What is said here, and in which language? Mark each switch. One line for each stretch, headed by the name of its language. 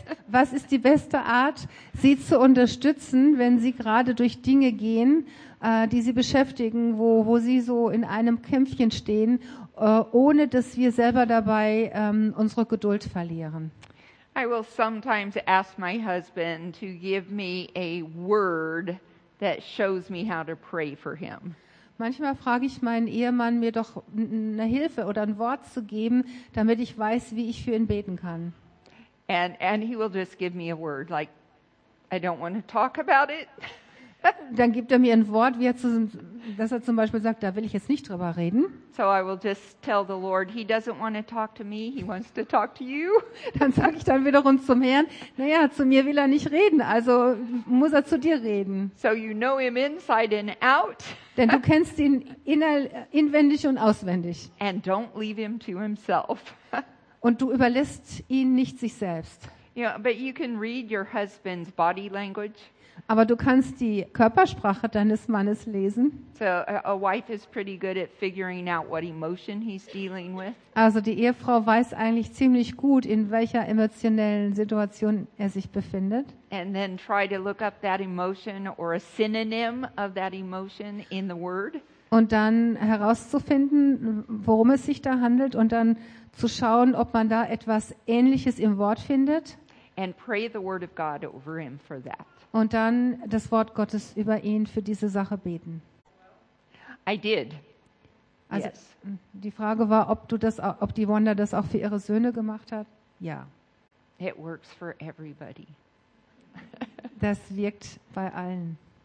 German: Was ist die beste Art, sie zu unterstützen, wenn sie gerade durch Dinge gehen, die sie beschäftigen, wo sie so in einem Kämpfchen stehen, ohne dass wir selber dabei unsere Geduld verlieren?
English: I will sometimes ask my husband to give me a word that shows me how to pray for him.
German: Manchmal frage ich meinen Ehemann, mir doch eine Hilfe oder ein Wort zu geben, damit ich weiß, wie ich für ihn beten kann.
English: And he will just give me a word, like, I don't want to talk about it.
German: Dann gibt er mir ein Wort, dass er zum Beispiel sagt, da will ich jetzt nicht drüber reden.
English: So I will just tell the Lord, he doesn't want to talk to me, he wants to talk to you.
German: Dann sage ich dann wiederum zum Herrn, naja, zu mir will er nicht reden, also muss er zu dir reden.
English: So you know him inside and out.
German: Denn du kennst ihn inwendig und auswendig.
English: And don't leave him to himself.
German: Und du überlässt ihn nicht sich selbst.
English: Yeah, but you can read your husband's body language.
German: Aber du kannst die Körpersprache deines Mannes lesen.
English: So a wife is pretty good at figuring out what emotion he's dealing with.
German: Also die Ehefrau weiß eigentlich ziemlich gut, in welcher emotionellen Situation er sich befindet.
English: And then try to look up that emotion or a synonym of that emotion in the word.
German: Und dann herauszufinden, worum es sich da handelt und dann zu schauen, ob man da etwas Ähnliches im Wort findet.
English: And pray the word of God over him for that.
German: Und dann das Wort Gottes über ihn für diese Sache beten.
English: I did.
German: Also yes. Die Frage war, ob die Wanda das auch für ihre Söhne gemacht hat. Ja.
English: It works for everybody.
German: Das wirkt bei allen.